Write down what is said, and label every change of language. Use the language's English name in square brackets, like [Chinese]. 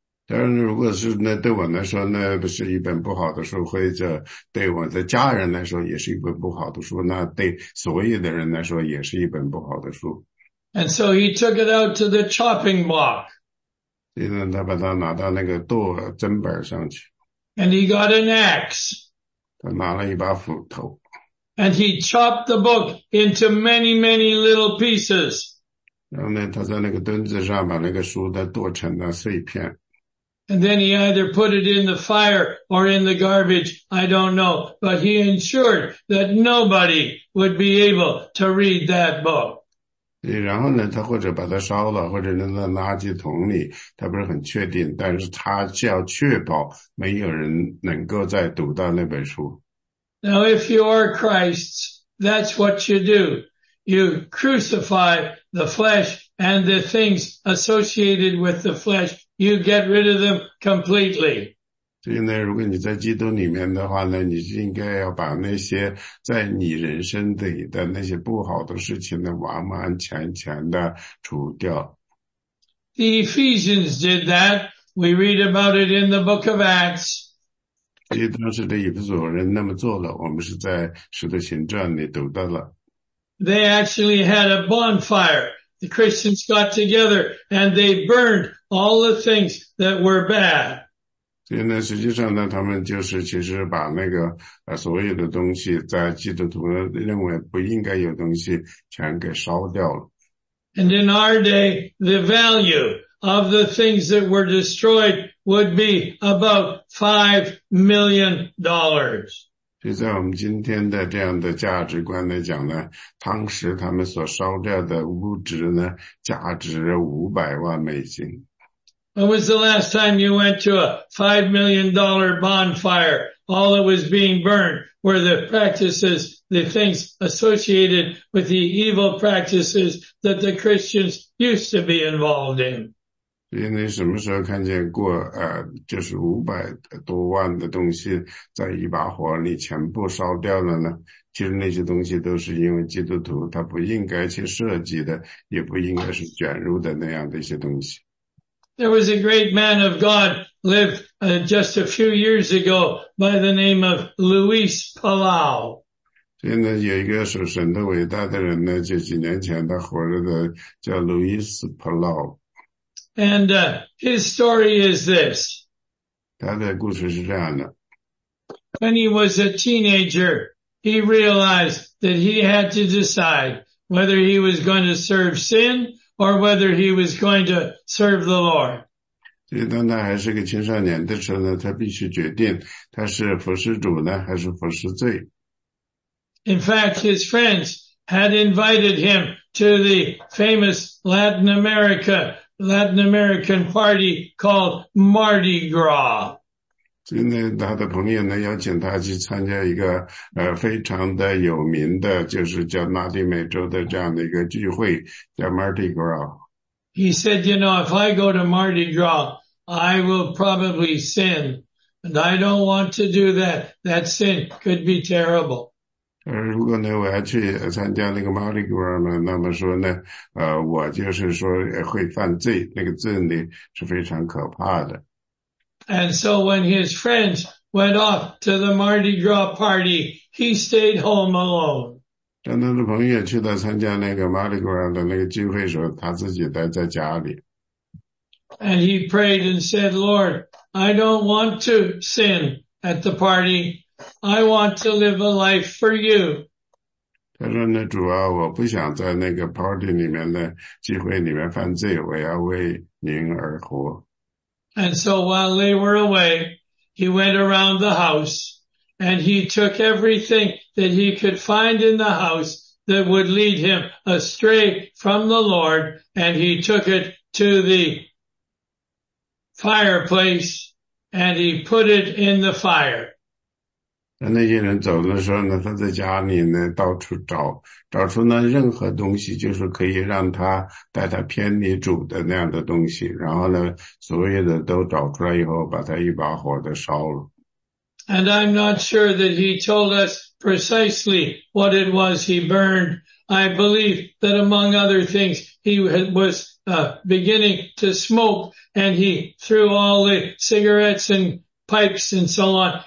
[Chinese] 当然如果是那对我来说那不是一本不好的书或者对我的家人来说也是一本不好的书那对所有的人来说也是一本不好的书。 [English] And so he took it out to the chopping block. [Chinese] 现在他把它拿到那个剁砧板上去。 [English] And he got an axe. [Chinese] 他拿了一把斧头。 [English] And he chopped the book into many, many little pieces. [Chinese] 然后呢他在那个墩子上把那个书都剁成了碎片。 [English] And then he either put it in the fire or in the garbage, I don't know, but he ensured that nobody would be able to read that book. [Chinese] 然后呢他或者把它烧了或者扔在垃圾桶里他不是很确定但是他就要确保没有人能够再读到那本书。 [English] Now if you are Christ's, that's what you do. You crucify the flesh and the things associated with the flesh, you get rid of them completely. [Chinese] 所以呢，如果你在基督里面的话呢，你是应该要把那些在你人生里的那些不好的事情呢，完完全全的除掉。 [English] The Ephesians did that. We read about it in the book of Acts. [Chinese] 所以当时的以弗所人那么做了，我们是在《使徒行传》里读到了。 [English] They actually had a bonfire. The Christians got together and they burned all the things that were bad. [Chinese] 所以呢，实际上呢，他们就是其实把那个所有的东西，在基督徒认为不应该有东西，全给烧掉了。 [English] And in our day, the value of the things that were destroyed would be about $5 million. [Chinese] 所以在我们今天的这样的价值观来讲呢，当时他们所烧掉的物质呢，价值$500万。 [English] When was the last time you went to a $5 million bonfire? All that was being burned were the practices, the things associated with the evil practices that the Christians used to be involved in. [Chinese] 所以你什么时候看见过就是500多万的东西在一把火里全部烧掉了呢？其实那些东西都是因为基督徒他不应该去涉及的，也不应该是卷入的那样的一些东西。 [English] There was a great man of God lived just a few years ago by the name of Luis Palau. [Chinese] 所以呢，有一个属神的伟大的人呢，就几年前他活着的，叫 Luis Palau。 [English] And his story is this. [Chinese] 他的故事是这样的。 [English] When he was a teenager, he realized that he had to decide whether he was going to serve sin or whether he was going to serve the Lord. [Chinese] 所以当他还是个青少年的时候呢，他必须决定他是服侍主呢，还是服侍罪。 [English] In fact, his friends had invited him to the famous Latin American party called Mardi Gras. [Chinese] 所以呢，他的朋友呢邀请他去参加一个非常的有名的，就是叫拉丁美洲的这样的一个聚会，叫 Mardi Gras。 [English] He said, "You know, if I go to Mardi Gras, I will probably sin, and I don't want to do that. That sin could be terrible." [Chinese] 如果呢，我要去参加那个 Mardi Gras 呢，那么说呢，我就是说会犯罪，那个罪呢是非常可怕的。 [English] And so when his friends went off to the Mardi Gras party, he stayed home alone. [Chinese] 当他的朋友去到参加那个 Mardi Gras 的那个聚会的时候，他自己待在家里。 [English] And he prayed and said, "Lord, I don't want to sin at the party. I want to live a life for you." [Chinese] 他说呢，主啊，我不想在那个 party 里面的聚会里面犯罪，我要为您而活。 [English] And so while they were away, he went around the house and he took everything that he could find in the house that would lead him astray from the Lord, and he took it to the fireplace and he put it in the fire. [Chinese] 那些人走的时候呢，他在家里呢到处找，找出呢任何东西，就是可以让他带他偏离主的那样的东西。然后呢，所有的都找出来以后，把他一把火的烧了。 [English] And I'm not sure that he told us precisely what it was he burned. I believe that among other things, he was beginning to smoke, and he threw all the cigarettes and pipes and so on.